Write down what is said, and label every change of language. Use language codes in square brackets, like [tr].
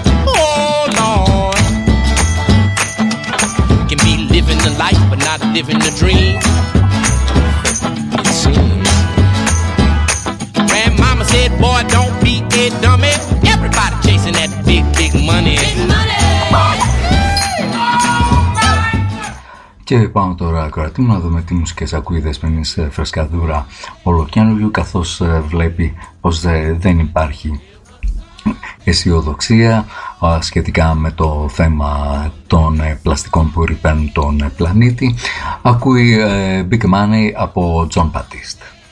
[en] Oh Lord, you can be living the life but not living the dream. It seems. Grandmama said, boy, don't be a dummy. Everybody chasing that big, big money. Big money. [el] Και πάμε τώρα ακροατή μου να δούμε τι μουσικές ακούει η Δεσποινής Φρεσκαδούρα ολοκένουργιου, καθώς βλέπει πως δεν υπάρχει αισιοδοξία σχετικά με το θέμα των πλαστικών που ρυπαίνουν τον πλανήτη. Ακούει Big Money από John Batiste.